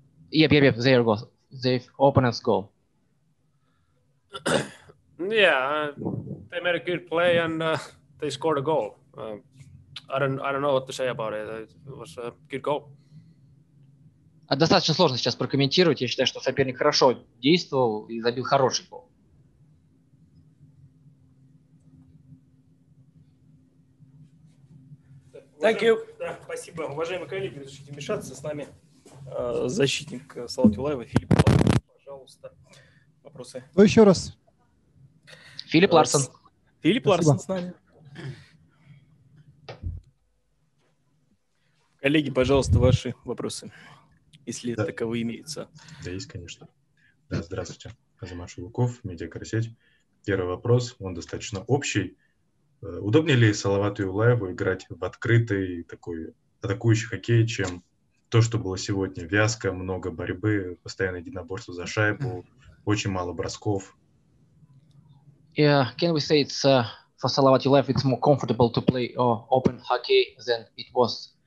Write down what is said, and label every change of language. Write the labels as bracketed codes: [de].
[en] Yep, their goal, their opponent's goal. Yeah, they made a good play and they scored a goal. I don't know what to say about it. It was a good goal. [ru] Достаточно сложно сейчас прокомментировать. Я считаю, что соперник хорошо действовал и забил хороший гол. [en] Thank you. [ru] Да, спасибо. Уважаемые коллеги, разрешите вмешаться. С нами защитник Салауата Юлаева Филипп Ларсен. Пожалуйста, вопросы. Ну, еще раз. Филипп Ларсен. Филипп спасибо. Ларсен с нами. Коллеги, пожалуйста, ваши вопросы. Если да. Таковые имеются. Да, есть, конечно. Да, здравствуйте. Азамат Шулуков, Медиакарсеть. Первый вопрос, он достаточно общий. Удобнее ли Салавату Юлаеву играть в открытый такой атакующий хоккей, чем то, что было сегодня? Вязка, много борьбы, постоянное единоборство за шайбу, очень мало бросков. [en] Yeah, can we say it's for Салават Юлаев it's more comfortable to play open hockey than it was?